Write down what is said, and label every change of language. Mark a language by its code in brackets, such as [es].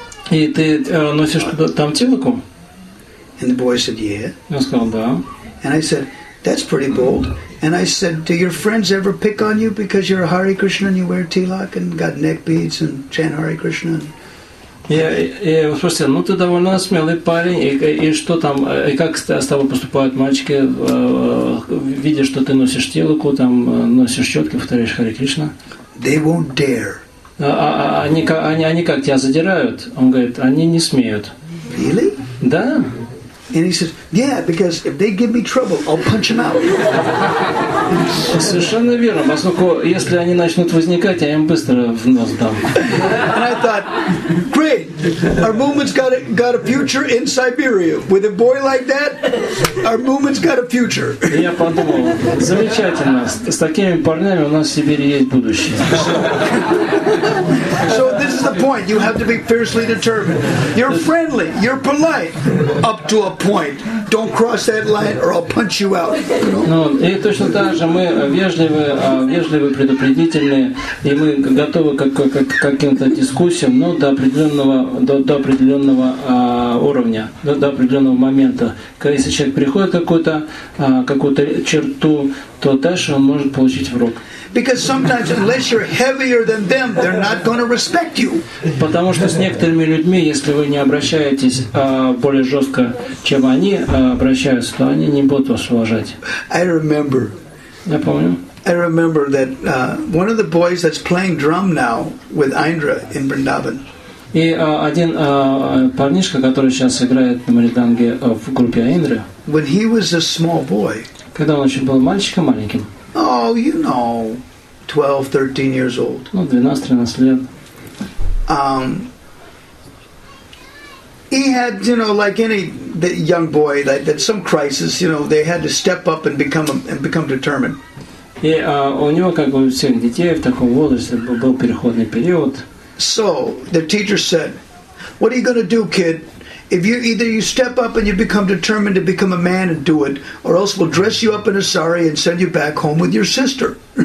[ru] И ты носишь туда там тилаку? [en] And the boy said, yeah. [ru] Я сказал, да. [en] And I said, that's pretty bold. And I said, do your friends ever pick on you because you're a Hare Krishna and you wear tilak and got neck beads and chant Hare Krishna? [ru] Я его спросил, ну ты довольно смелый парень, и что там, и как с тобой поступают мальчики, видя, что ты носишь тилаку, там носишь щетки, повторяешь Hare Krishna? [en] They won't dare. [ru] Они как тебя задирают? Он говорит, они не смеют. [en] Really? [ru] Да. [en] And he says, yeah, because if they give me trouble, I'll punch them out. [ru] Совершенно верно, поскольку если они начнут возникать, я им быстро в нос дам. [en] And I thought, great, our movement's got a future in Siberia. With a boy like that, our movement's got a future. [ru] Я подумал, замечательно, с такими парнями у нас в Сибири есть будущее. [en] So this is the point, you have to be fiercely determined. You're friendly, you're polite, up to a point. Don't cross that line or I'll punch you out. [ru] Ну, и точно так же мы вежливы, предупредительные, и мы готовы к каким-то дискуссиям, но до определенного уровня, до определенного момента. Если человек приходит к какую-то черту, то дальше он может получить в рог. [en] Because sometimes unless you're heavier than them, they're not going to respect you. [ru] Потому что с некоторыми людьми, если вы не обращаетесь более жестко, чем они обращаются, то они не будут вас уважать. [en] I remember. [ru] Я помню. [en] I remember that one of the boys that's playing drum now with Indra in Vrindavan. [ru] И один парнишка, который сейчас играет на мриданге в группе Индры. [en] When he was a small boy. [ru] Когда он еще был мальчиком маленьким. [en] Oh, you know, 12, 13 years old. [ru] Ну, 12-13 лет. [en] He had, you know, like any young boy, like that some crisis, you know, they had to step up and become determined. [ru] И у него, как у всех детей, в таком возрасте был переходный период. [en] So the teacher said, "What are you going to do, kid? If you either you step up and you become determined to become a man and do it, or else we'll dress you up in a sari and send you back home with your sister."